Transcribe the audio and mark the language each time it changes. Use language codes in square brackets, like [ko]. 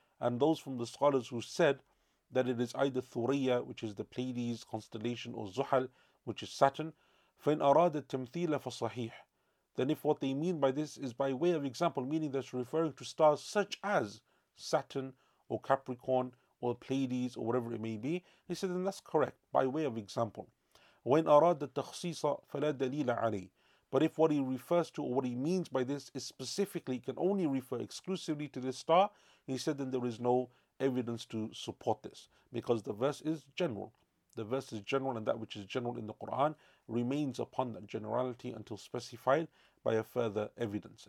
[en] And those from the scholars who said that it is either Thuriyya, which is the Pleiades constellation, or Zuhal, which is Saturn. [ar] فَإِنْ أَرَادَ التَّمْثِيلَ فَصَحِيحٌ. [en] Then if what they mean by this is by way of example, meaning that's referring to stars such as Saturn or Capricorn or Pleiades or whatever it may be, he said, then that's correct, by way of example. When [ar] أَرَادَ التَّخْصِيصَ فَلَا دَلِيلَ عَلَيْهِ. [en] But if what he refers to or what he means by this is specifically, can only refer exclusively to this star, he said, then there is no evidence to support this, because the verse is general. The verse is general, and that which is general in the Quran remains upon that generality until specified by a further evidence.